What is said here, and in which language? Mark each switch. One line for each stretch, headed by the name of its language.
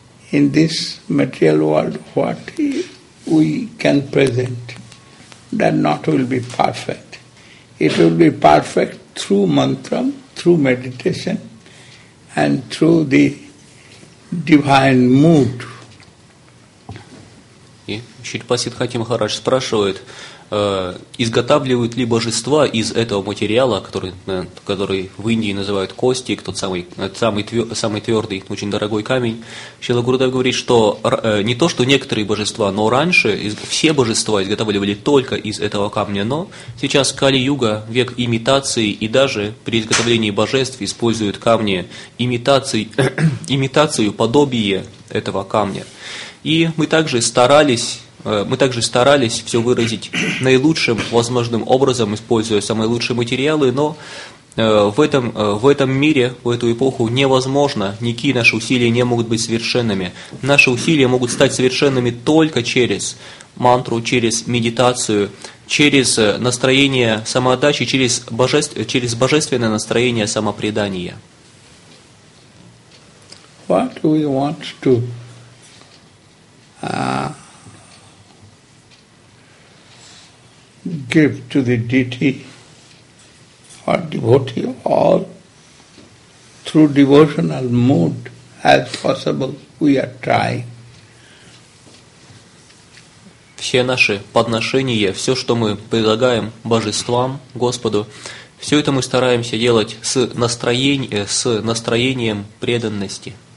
English: In this material world, what we can present, that not will be perfect. It will be perfect through mantram, through meditation, and through the divine mood.
Russian: И Шильпа Сиддхати Махарадж спрашивает, изготавливают ли божества из этого материала, который в Индии называют костик, тот самый твердый, очень дорогой камень. Шрила Гурудев говорит, что не то, что некоторые божества, но раньше все божества изготавливали только из этого камня, но сейчас Кали-Юга, век имитации, и даже при изготовлении божеств используют камни, имитацию, подобие этого камня. И мы также старались все выразить наилучшим возможным образом, используя самые лучшие материалы, но в этом мире, в эту эпоху невозможно, никакие наши усилия не могут быть совершенными. Наши усилия могут стать совершенными только через мантру, через медитацию, через настроение самоотдачи, через божественное настроение самопредания.
English: What do we want to give to the deity or devotee, all through devotional mood as possible we are trying.
Russian: Все наши подношения, все, что мы предлагаем божествам, Господу, все это мы стараемся делать с настроением преданности.